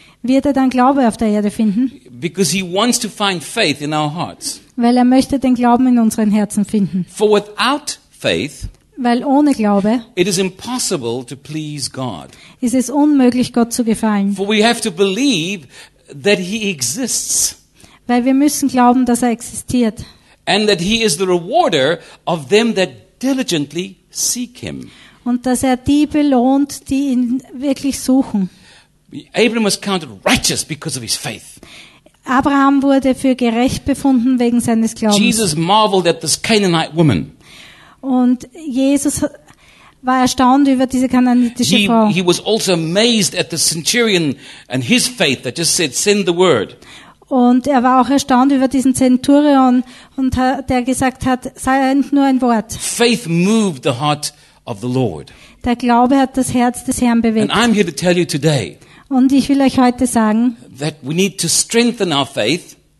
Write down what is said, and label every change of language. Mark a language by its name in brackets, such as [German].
[German] Wird er dann Glaube auf der Erde finden? [English] Because he wants to find faith in our hearts. [German] Weil er möchte den Glauben in unseren Herzen finden. [English] For without faith, [German] weil ohne Glaube [English] it is impossible to please God. [German] Ist es unmöglich, Gott zu gefallen. [English] For we have to believe that he exists. [German] Weil wir müssen glauben, dass er existiert. [English] And that he is the rewarder of them that diligently seek him. [German] Und dass er die belohnt, die ihn wirklich suchen. [English] Abraham was counted righteous because of his faith. [German] Abraham wurde für gerecht befunden wegen seines Glaubens. [English] Jesus marveled at this Canaanite woman. [German] Und Jesus war erstaunt über diese kananitische Frau. [English] He was also amazed at the centurion and his faith that just said send the word. [German] Und er war auch erstaunt über diesen Zenturion und der gesagt hat, sei nur ein Wort. [English] Faith moved the heart of the Lord. [German] Der Glaube hat das Herz des Herrn bewegt. [English] And I'm here to tell you today. [German] Und ich will euch heute sagen, [English] that we need to strengthen our faith,